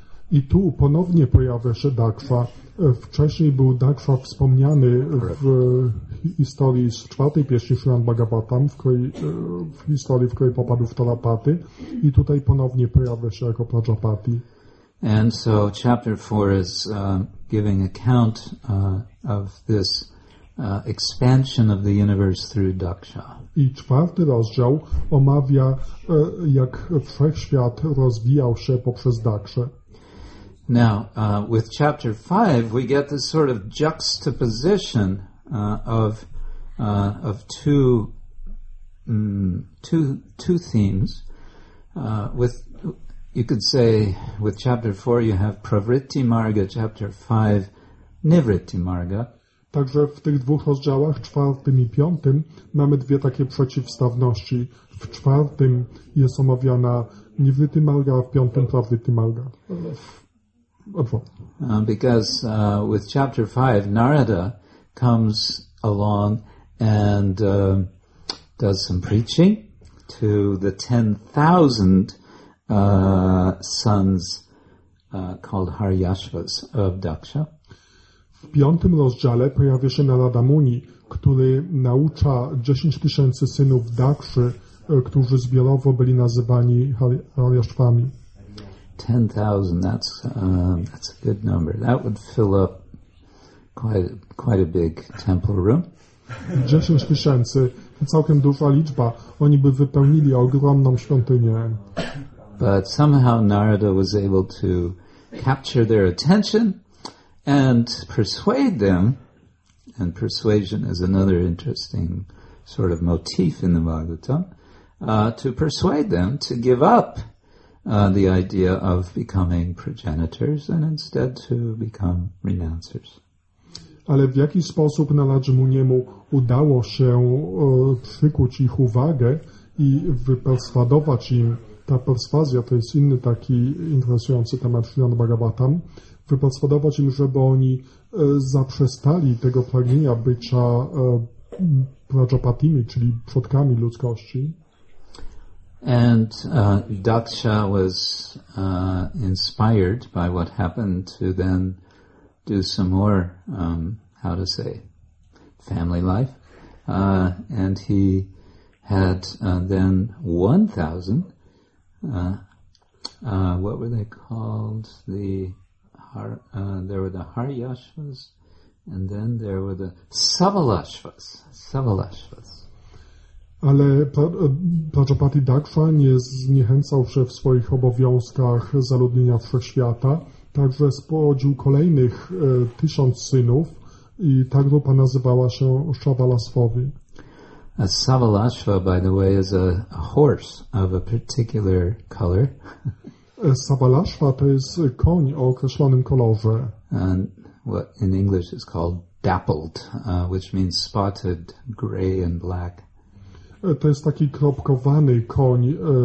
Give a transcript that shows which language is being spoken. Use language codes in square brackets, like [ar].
[pl] I tu ponownie pojawia się Daksha. Wcześniej był Daksha wspomniany w historii z czwartej pieśni Śrimad Bhagavatam, w historii, w której popadł w Tarapaty, i tutaj ponownie pojawia się jako Prajapati. [en] And so chapter 4 is giving account of this expansion of the universe through Daksha. [pl] I czwarty rozdział omawia, jak wszechświat rozwijał się poprzez Dakshę. [en] Now, with chapter 5, we get this sort of juxtaposition of two themes. You could say, with chapter 4, you have Pravritti Marga, chapter 5, Nivritti Marga. [pl] Także w tych dwóch rozdziałach, czwartym i piątym, mamy dwie takie przeciwstawności. W czwartym jest omawiana Nivritti Marga, a w piątym Pravritti Marga. [en] Because with chapter 5, Narada comes along and does some preaching to the 10,000 sons called Haryashvas of Daksha. [pl] W piątym rozdziale pojawia się Narada Muni, który naucza 10 tysięcy synów Dakszy, którzy zbiorowo byli nazywani Haryashvami. [en] 10,000, that's a good number. That would fill up quite a big temple room. [pl] 10 tysięcy, całkiem duża liczba. Oni by wypełnili ogromną świątynię. [en] But somehow Narada was able to capture their attention and persuade them. And persuasion is another interesting sort of motif in the Bhagavatam, to persuade them to give up the idea of becoming progenitors and instead to become renouncers. [pl] Ale w jaki sposób Naradze Muniemu udało się przykuć ich uwagę i wyperswadować im, ta perswazja to jest inny taki interesujący temat Śrimad Bhagavatam, wyperswadować im, żeby oni zaprzestali tego pragnienia bycia prajapatimi, czyli przodkami ludzkości. [en] And Daksha was inspired by what happened to then do some more, how to say, family life. And he had then 1,000, what were they called? The there were the Haryashvas, and then there were the Savalashvas. Savalashvas. [pl] Ale Prajapati Daksha nie zniechęcał się w swoich obowiązkach zaludnienia wszechświata, także spłodził kolejnych 1,000 synów i ta grupa nazywała się Savalashvowi. [en] A Savalashva, by the way, is a horse of a particular color. [pl] Savalashva to jest koń o określonym kolorze. [en] And what in English is called dappled, which means spotted, gray and black. [pl] To jest taki kropkowany koń.